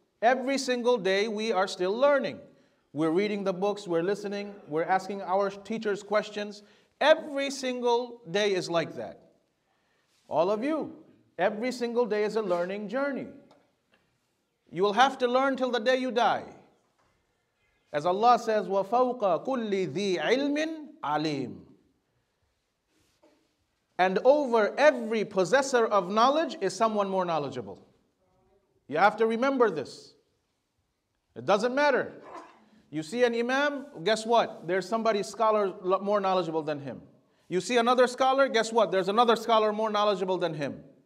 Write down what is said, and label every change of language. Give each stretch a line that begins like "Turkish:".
English: Every single day we are still learning. We're reading the books, we're listening, we're asking our teachers questions. Every single day is like that. All of you, every single day is a learning journey. You will have to learn till the day you die. As Allah says,
Arabic: وَفَوْقَ كُلِّ ذِي عِلْمٍ عَلِيمٍ.
English: And over every possessor of knowledge is someone more knowledgeable. You have to remember this. It doesn't matter. You see an imam, guess what? There's somebody scholar more knowledgeable than him. You see another scholar, guess what? There's another scholar more knowledgeable than him.